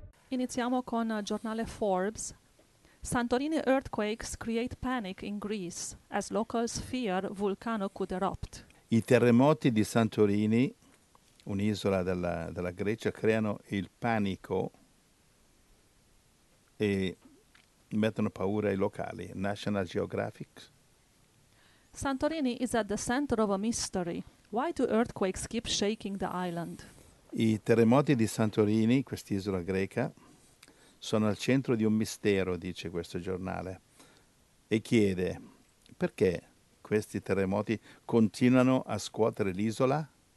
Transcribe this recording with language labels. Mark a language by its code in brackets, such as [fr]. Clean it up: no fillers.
[it] Iniziamo con il giornale Forbes. [en] Santorini earthquakes create panic in Greece as locals fear volcano could erupt. [it] I terremoti di Santorini, un'isola della Grecia, creano il panico e mettono paura ai locali. [en] National Geographic. Santorini is at the center of a mystery. Why do earthquakes keep shaking the island? [it] I terremoti di Santorini, quest'isola greca, sono al centro di un mistero, dice questo giornale, e chiede perché questi terremoti continuano a scuotere l'isola.